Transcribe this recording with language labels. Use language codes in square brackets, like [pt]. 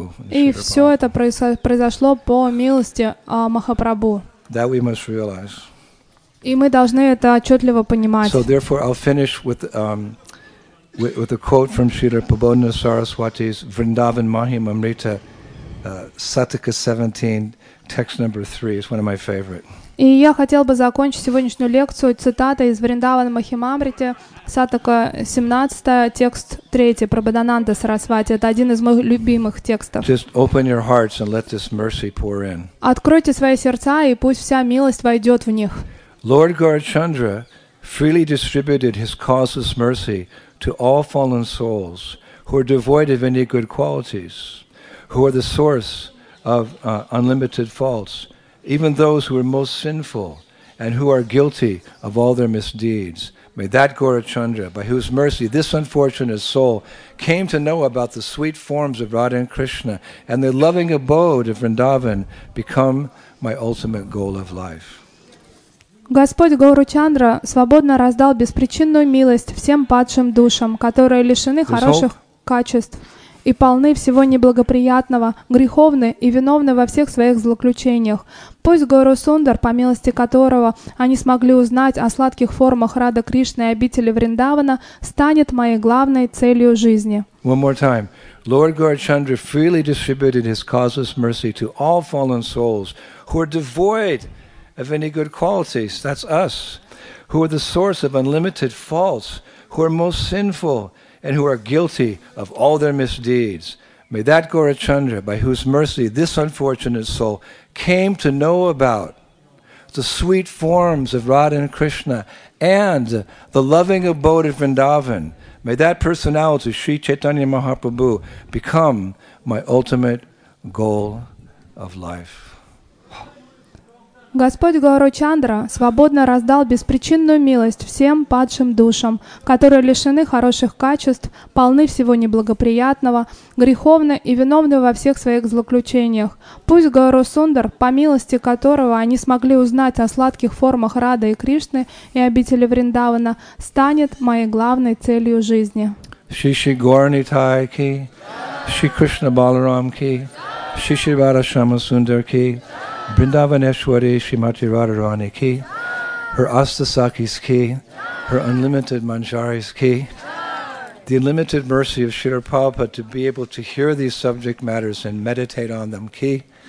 [ru] И все это произошло по милости Махапрабху. [en] That we must realize. [ru] И мы должны это отчетливо понимать. [en] So therefore, I'll finish with, with a quote from Srila Prabodhana Saraswati's Vrindavan Mahimamrita, Satika 17, text number 3 is one of my favorite. [ru] И я хотел бы закончить сегодняшнюю лекцию цитатой из Вриндаван Махимамрити, Сатака 17, текст 3, Прабхадананда Сарасвати. Это один из моих любимых текстов. [en] Just open your hearts and let this mercy pour in. [ru] Откройте свои сердца, и пусть вся милость войдет в них. [en] Lord Gaurachandra freely distributed his causeless mercy to all fallen souls who are devoid of any good qualities, who are the source of unlimited faults, even those who are most sinful and who are guilty of all their misdeeds. May that Gaurachandra, by whose mercy this unfortunate soul came to know about the sweet forms of Radha and Krishna and the loving abode of Vrindavan, become my ultimate goal of life. [ru] Господь Гауручандра свободно раздал беспричинную милость всем падшим душам, которые лишены хороших качеств и полны всего неблагоприятного, греховны и виновны во всех своих злоключениях. Пусть Гауру Сундар, по милости которого они смогли узнать о сладких формах Рады Кришны и обители Вриндавана, станет моей главной целью жизни. [en] One more time. Lord Gaurachandra freely distributed his causeless mercy to all fallen souls who are devoid of any good qualities, that's us, who are the source of unlimited faults, who are most sinful, and who are guilty of all their misdeeds. May that Gaurachandra, by whose mercy this unfortunate soul came to know about the sweet forms of Radha and Krishna and the loving abode of Vrindavan, may that personality, Sri Chaitanya Mahaprabhu, become my ultimate goal of life. [ru] Господь Гаурачандра свободно раздал беспричинную милость всем падшим душам, которые лишены хороших качеств, полны всего неблагоприятного, греховны и виновны во всех своих злоключениях. Пусть Гауру Сундар, по милости которого они смогли узнать о сладких формах Рады и Кришны и обители Вриндавана, станет моей главной целью жизни. [en] Шиши Гаурани Тайки, Шри Кришна Баларамки, Шиши Радашама Сундарки, Vrindavaneshwari Srimati Radharani ki, her Astasakis ki, her unlimited Manjaris ki, the unlimited mercy of Srila Prabhupada to be able to hear these subject matters and meditate on them ki,